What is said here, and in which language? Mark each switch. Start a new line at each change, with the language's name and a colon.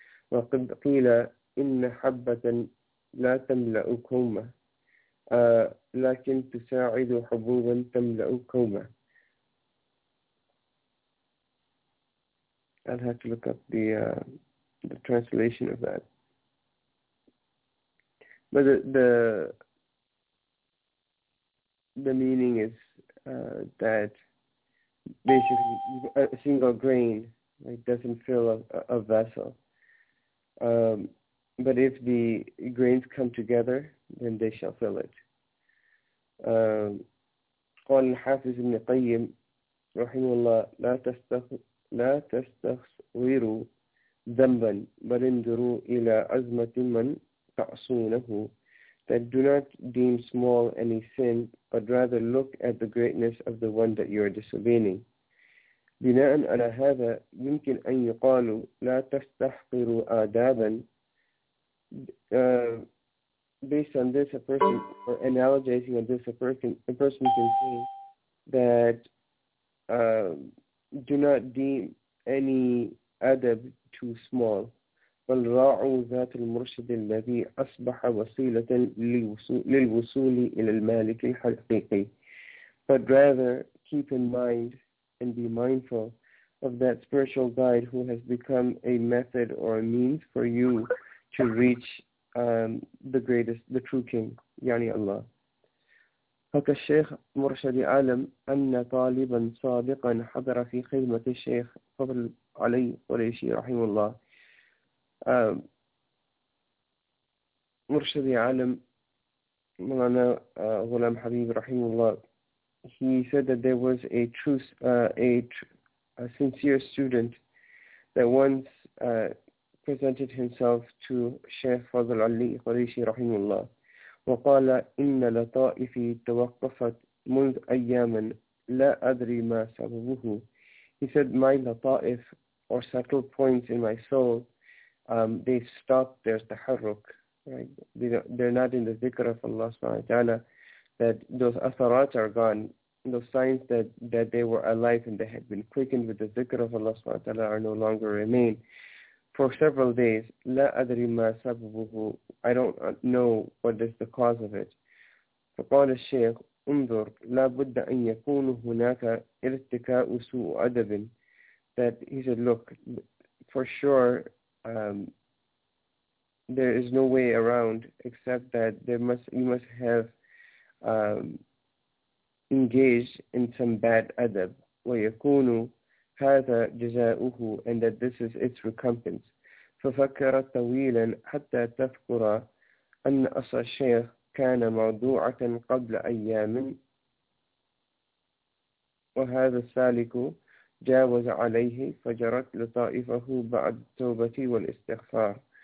Arabic: وقد قيل إن حبة لا تملأ كومة لكن تساعد حبوبا تملأ كومة.
English: I'll have to look up the translation of that. But the meaning is that basically, a single grain, like, doesn't fill a vessel. But if the grains come together, then they shall fill it.
Arabic: قال الحافظ ابن قيم رحمه الله لا تستغفروا ذنبا بل انظروا إلى عزمة من تعصونه.
English: That do not deem small any sin, but rather look at the greatness of the one that you are disobeying.
Arabic: بناء على هذا يمكن أن يقال لا تستحقروا آدابا.
English: Based on this, a person, or analogizing on this, a person can say that do not deem any adab too small.
Arabic: بل راعوا ذات المرشد الذي أصبح وسيلة للوصول إلى المالك الحقيقي.
English: But rather keep in mind and be mindful of that spiritual guide who has become a method or a means for you to reach the greatest, the true king,
Arabic: يعني الله. فكالشيخ مرشد عالم أن طالبا صادقا حضر في خدمة الشيخ قبل علي قريشي رحمه الله، مرشدي عالم مولانا غلام حبيب رحمه الله.
English: He said that there was a true, a sincere student that once presented himself to Sheikh Fadl Ali Qureshi
Arabic: رحمه الله. وقال إن لطائفي توقفت منذ أياما لا أدري ما سببه.
English: He said, my lataif, or subtle points in my soul, they've stopped their taharruk. Right? They're not in the dhikr of Allah subhanahu wa ta'ala, that those atharat are gone. Those signs that they were alive and they had been quickened with the dhikr of Allah subhanahu wa ta'ala are no longer remain. For several days,
Arabic: la adri ma sababuhu,
English: I don't know what is the cause of it.
Arabic: فقال الشيخ, انظر, لا بد أن يكون هناك ارتكاء سوء أدب.
English: That he said, look, for sure, there is no way around except that you must have engaged in some bad adab.
Arabic: ويكون هذا جزاؤه,
English: and that this is its recompense.
Arabic: ففكر طويلا حتى تذكر أن أصل الشيخ كان موضوعة قبل أيام وهذا السالك جاوز عليه فجرت لطائفه بعد التوبة والاستغفار.